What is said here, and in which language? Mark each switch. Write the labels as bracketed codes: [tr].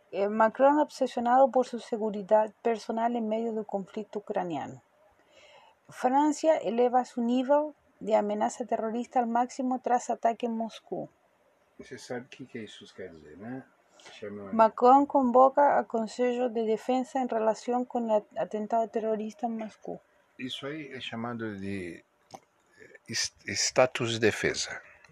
[es] Macron obsesionado por su seguridad personal en medio del conflicto ucraniano. Francia eleva su nivel de amenaza terrorista al máximo tras ataque en Moscú. [pt] Você sabe que isso quer dizer, né? [es] Macron convoca al Consejo de Defensa en relación con el atentado terrorista en Moscú. Eso ahí es llamado de status de defensa.